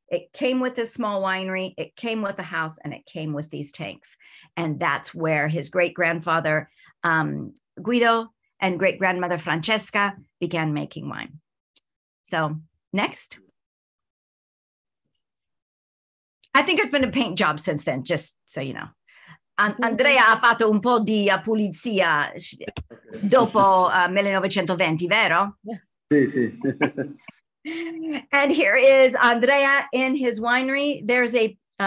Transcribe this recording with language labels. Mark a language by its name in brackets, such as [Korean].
[English] It came with this small winery, it came with the house, and it came with these tanks. And that's where his great-grandfather Guido and great-grandmother Francesca began making wine. So next. I think it's been a paint job since then, just so you know. [Italian] Andrea ha fatto un po' di pulizia dopo 1920, vero? Sì, sì. [English] And here is Andrea in his winery. There's a